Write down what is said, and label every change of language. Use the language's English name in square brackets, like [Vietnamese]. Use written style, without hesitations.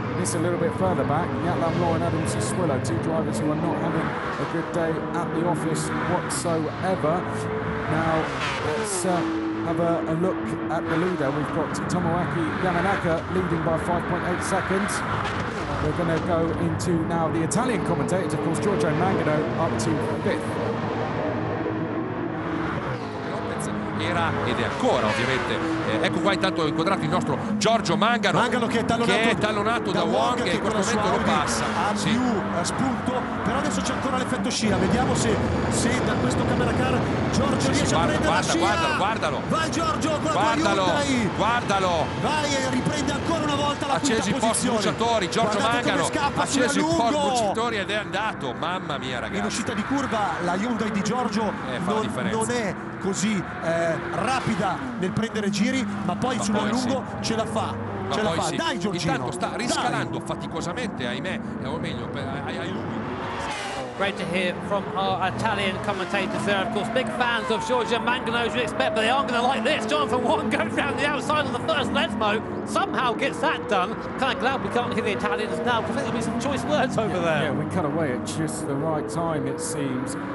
[English] This a little bit further back, Yatlam Law and Adam Suswillo, two drivers who are not having a good day at the office whatsoever. Now, let's have a look at the leader. We've got Tomoaki Yamanaka leading by 5.8 seconds. We're going to go into now the Italian commentators, of course, Giorgio Mangano up to fifth. [Italian] Era ed è ancora ovviamente ecco qua intanto inquadrato il nostro Giorgio Mangano che è tallonato da Wong che in questo momento lo passa ha sì. Più spunto però adesso c'è ancora l'effetto scia, vediamo se da questo camera car Giorgio riesce a prendere la scia. Guardalo vai Giorgio con guardalo vai e riprende ancora una volta la accesi quinta posizione, accesi i bruciatori Giorgio Mangano, accesi i bruciatori ed è andato, mamma mia ragazzi, in uscita di curva la Hyundai di Giorgio non è così rapida nel prendere giri, ma poi sul lungo sì. Ce la fa, ma ce la fa, sì. Dai Giorgino. Intanto sta riscalando faticosamente, ahimè, o meglio, ai lunghi. [English] Great to hear from our Italian commentators there. Of course, big fans of Giorgio Mangano, as you expect, but they aren't going to like this. Jonathan Wong goes around the outside of the first Lesmo, somehow gets that done. Kind of glad we can't hear the Italians now, because there'll be some choice words over there. Yeah, we cut away at just the right time, it seems.